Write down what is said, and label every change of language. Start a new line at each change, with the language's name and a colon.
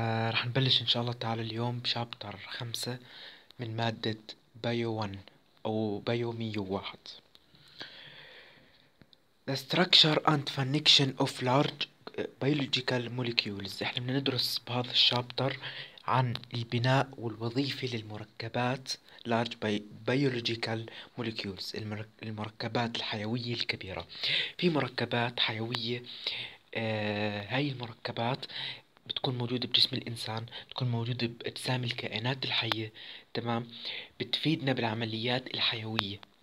Arabic: رح نبلش إن شاء الله تعالى اليوم بشابتر 5 من مادة بايو 1 أو بايو 101.
English: The structure and function of large biological molecules.
Arabic: إحنا بندرس بهذا الشابتر عن البناء والوظيفة للمركبات
English: large biological molecules،
Arabic: المركبات الحيوية الكبيرة. في مركبات حيوية، هاي المركبات بتكون موجودة بجسم الإنسان، بتكون موجودة بأجسام الكائنات الحية، تمام، بتفيدنا بالعمليات الحيوية.